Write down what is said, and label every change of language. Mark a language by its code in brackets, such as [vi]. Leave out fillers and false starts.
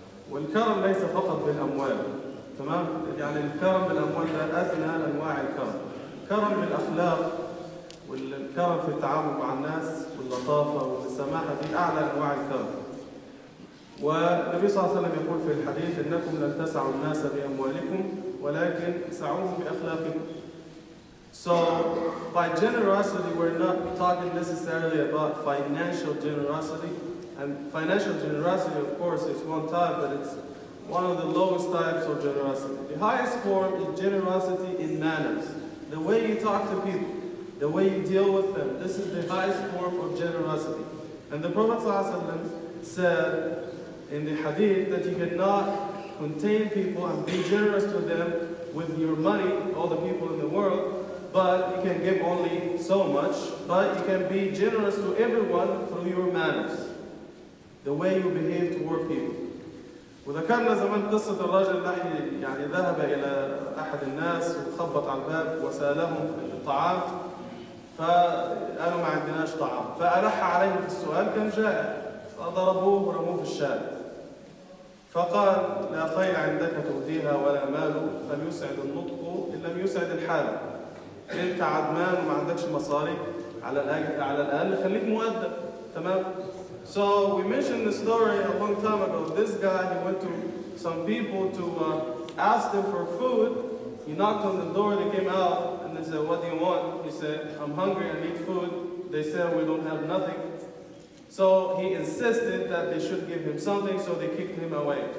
[ar] والكرم ليس فقط بالأموال، تمام؟ يعني الكرم بالأموال لا أدنى أنواع الكرم. كرم بالأخلاق والكرم في التعامل مع الناس واللطافة والسماحة دي أعلى أنواع الكرم. والنبي صلى الله عليه وسلم يقول في الحديث: إنكم لن تسعوا الناس بأموالكم ولكن سعوهم بأخلاقكم. [en] So by generosity we're not talking necessarily about financial generosity. And financial generosity, of course, is one type, but it's one of the lowest types of generosity. The highest form is generosity in manners. The way you talk to people, the way you deal with them, this is the highest form of generosity. And the Prophet ﷺ said in the hadith that you cannot contain people and be generous to them with your money, all the people in the world, but you can give only so much, but you can be generous to everyone through your manners. The way you behave toward people. [ar] وذكرنا زمان قصة الرجل الذي يعني ذهب إلى أحد الناس وخبط على الباب وسألهم الطعام، فقالوا ما عندناش طعام، فألح عليهم في السؤال كان جائع، فضربوه ورموه في الشارع. فقال: لا خير عندك تهديها ولا مال، فليسعد النطق إن لم يسعد الحال. أنت عدمان وما عندكش مصاري، على الأقل خليك مؤدب، تمام؟ [en] So we mentioned the story a long time ago. This guy, he went to some people to ask them for food. He knocked on the door, they came out, and they said, what do you want? He said, I'm hungry, I need food. They said, we don't have nothing. So he insisted that they should give him something, so they kicked him away.